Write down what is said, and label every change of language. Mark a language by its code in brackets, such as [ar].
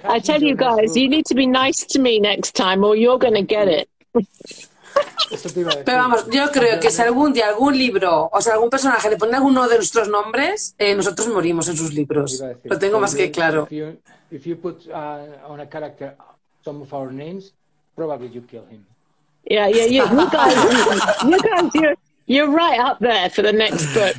[en] I tell you guys, you need to be nice to me next time or you're going to get it. [es] Pero vamos, yo creo que si algún día algún libro, o sea, algún personaje le pone alguno de nuestros nombres, nosotros morimos en sus libros. Lo tengo más que claro. [en] If you put on a character some of our names, probably you kill him. Yeah, you guys, you're right up there for the next book.